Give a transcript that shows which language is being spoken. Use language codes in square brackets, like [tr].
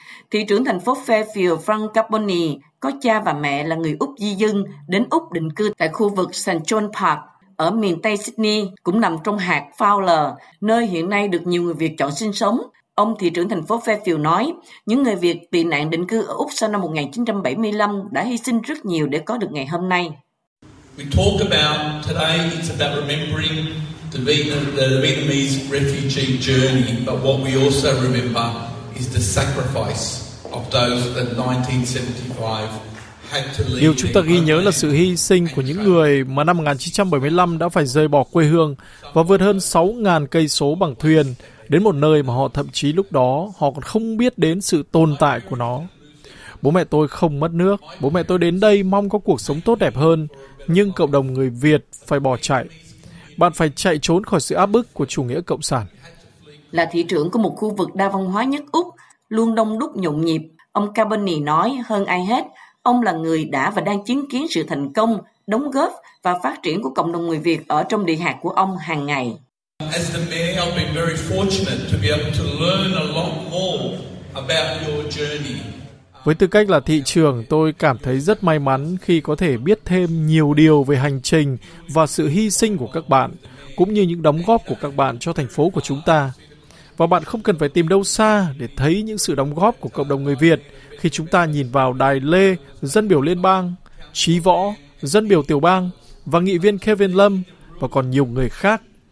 [vi] Thị trưởng thành phố Fairfield Frank Carboni có cha và mẹ là người Úc di dân đến Úc định cư tại khu vực St. John Park ở miền Tây Sydney, cũng nằm trong hạt Fowler, nơi hiện nay được nhiều người Việt chọn sinh sống. Ông thị trưởng thành phố Fairfield nói, những người Việt tị nạn định cư ở Úc sau năm 1975 đã hy sinh rất nhiều để có được ngày hôm nay. [en] We talk about today, it's about remembering the Vietnamese refugee journey, but what we also remember is the sacrifice of those that 1975. [vi] Điều chúng ta ghi nhớ là sự hy sinh của những người mà năm 1975 đã phải rời bỏ quê hương và vượt hơn 6.000 cây số bằng thuyền đến một nơi mà họ thậm chí lúc đó họ còn không biết đến sự tồn tại của nó. Bố mẹ tôi không mất nước, bố mẹ tôi đến đây mong có cuộc sống tốt đẹp hơn, nhưng cộng đồng người Việt phải bỏ chạy. Bạn phải chạy trốn khỏi sự áp bức của chủ nghĩa cộng sản. Là thị trưởng của một khu vực đa văn hóa nhất Úc, luôn đông đúc nhộn nhịp, ông Carboni nói hơn ai hết, ông là người đã và đang chứng kiến sự thành công, đóng góp và phát triển của cộng đồng người Việt ở trong địa hạt của ông hàng ngày. [en] As the mayor, I've been very fortunate to be able to learn a lot more about your journey. [vi] Với tư cách là thị trưởng, tôi cảm thấy rất may mắn khi có thể biết thêm nhiều điều về hành trình và sự hy sinh của các bạn, cũng như những đóng góp của các bạn cho thành phố của chúng ta. Và bạn không cần phải tìm đâu xa để thấy những sự đóng góp của cộng đồng người Việt khi chúng ta nhìn vào Đài Lê, dân biểu liên bang, Trí Võ, dân biểu tiểu bang và nghị viên Kevin Lâm và còn nhiều người khác.